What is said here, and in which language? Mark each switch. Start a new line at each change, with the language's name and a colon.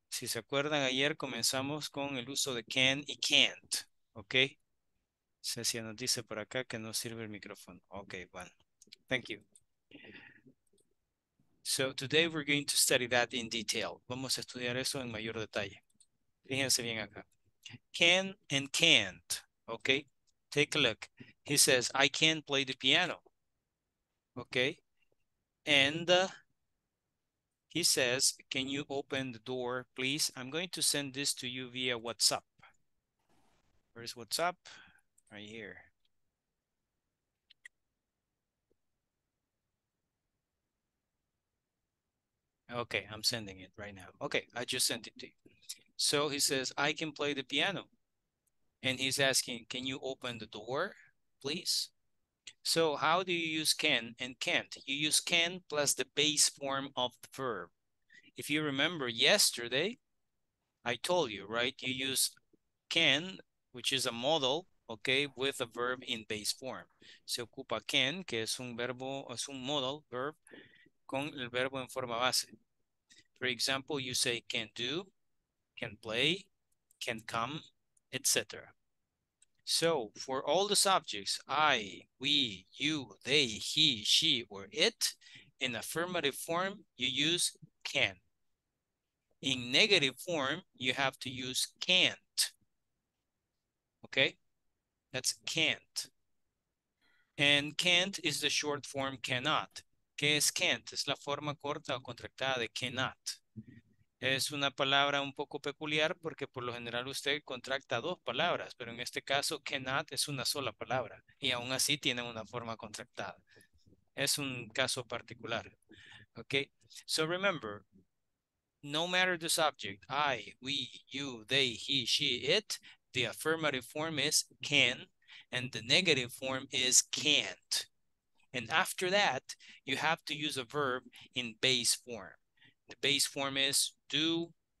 Spanish: Si se acuerdan, ayer comenzamos con el uso de can y can't, ¿ok? Cecia nos dice por acá que no sirve el micrófono. Ok, bueno.
English: Thank you. So, today we're going to study that in detail.
Spanish: Vamos a estudiar eso en mayor detalle. Fíjense bien acá.
English: Can and can't, ¿ok? Take a look. He says, I can't play the piano. ¿Ok? And... He says, can you open the door, please? I'm going to send this to you via WhatsApp. Where's WhatsApp? Right here. Okay, I'm sending it right now. Okay, I just sent it to you. So he says, I can play the piano. And he's asking, can you open the door, please? So how do you use can and can't? You use can plus the base form of the verb. If you remember yesterday, I told you, right? You use can, which is a modal, okay, with a verb in base form.
Spanish: Se ocupa can, que es un verbo, es un modal verb, con el verbo en forma base.
English: For example, you say can do, can play, can come, etc. So, for all the subjects, I, we, you, they, he, she, or it, in affirmative form, you use can. In negative form, you have to use can't. Okay? That's can't. And can't is the short form cannot.
Spanish: ¿Qué es can't? Es la forma corta o contractada de cannot. Es una palabra un poco peculiar porque por lo general usted contracta dos palabras, pero en este caso cannot es una sola palabra y aún así tiene una forma contractada. Es un caso particular. Okay?
English: So remember, no matter the subject, I, we, you, they, he, she, it, the affirmative form is can, and the negative form is can't. And after that, you have to use a verb in base form. The base form is do,